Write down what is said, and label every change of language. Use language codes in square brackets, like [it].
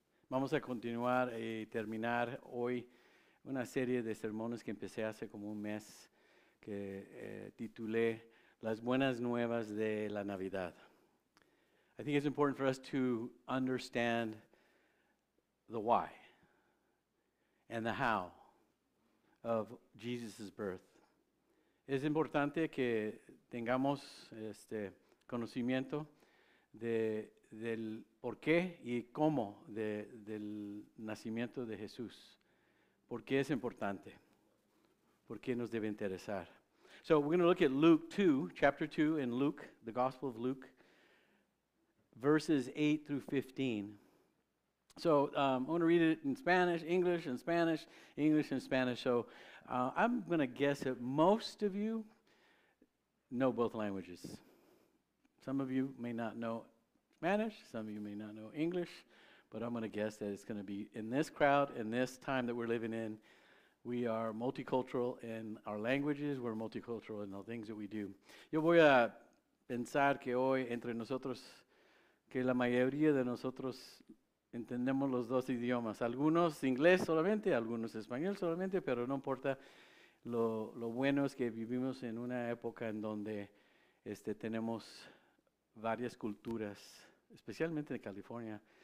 [es] Vamos a continuar y terminar hoy una serie de sermones que empecé hace como un mes que titulé Las Buenas Nuevas de la Navidad. [en] I think it's important for us to understand the why and the how of Jesus' birth. [es] Es importante que tengamos este conocimiento del por qué y cómo del nacimiento de Jesús. ¿Por qué es importante? ¿Por qué nos debe interesar? [en] So we're going to look at Luke 2, chapter 2 in Luke, the Gospel of Luke, verses 8 through 15. So I'm going to read it in Spanish, English and Spanish, English and Spanish. So I'm going to guess that most of you know both languages. Some of you may not know Spanish, some of you may not know English, but I'm going to guess that it's going to be in this crowd, in this time that we're living in, we are multicultural in our languages, we're multicultural in the things that we do. [es] Yo voy a pensar que hoy entre nosotros, que la mayoría de nosotros entendemos los dos idiomas, algunos inglés solamente, algunos español solamente, pero no importa, lo bueno es que vivimos en una época en donde tenemos varias culturas, especialmente de California.